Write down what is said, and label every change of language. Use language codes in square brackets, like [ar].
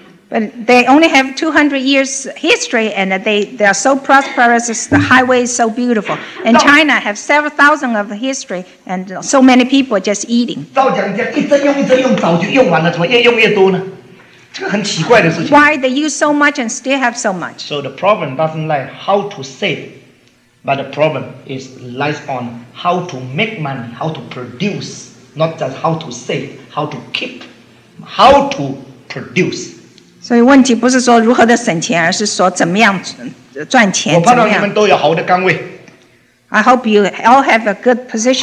[en] But they only have 200 years history, and they are so prosperous. The highway is so beautiful. And China have several thousand of history, and so many people just eating. [zh] 照讲讲，一直用，早就用完了，怎么越用越多呢？这个很奇怪的事情。 [en] Why they use so much and still have so much? So the problem doesn't lie how to save, but the problem is lies on how to make money, how to produce, not just how to save, how to keep, how to produce. [zh] 所以问题不是说如何的省钱，而是说怎么样赚钱。我盼望你们都有好的岗位。 [en] I hope you all have a good position.